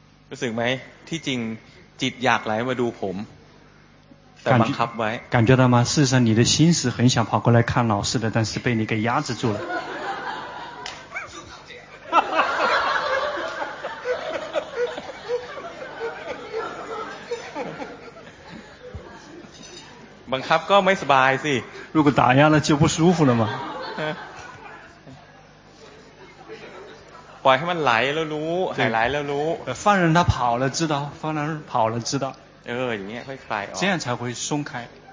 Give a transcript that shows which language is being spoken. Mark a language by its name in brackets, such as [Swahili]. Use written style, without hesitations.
[Thai] รู้สึกไหมที่จริงจิตอยากไหลมาดูผมแต่บังคับไว้ [Chinese] 感觉到吗事实上你的心是很想跑过来看老师的但是被你给压制住了 [Thai] บังคับก็ไม่สบายสิ [Chinese] 如果打压了就不舒服了嘛 [Thai] ปล่อยให้มันไหลแล้วรู้หายไหลแล้วรู้ [Chinese] 放任它跑了知道放任跑了知道 [Thai] อย่างเงี้ยค่อยคลายออก [Chinese] 这样才会松开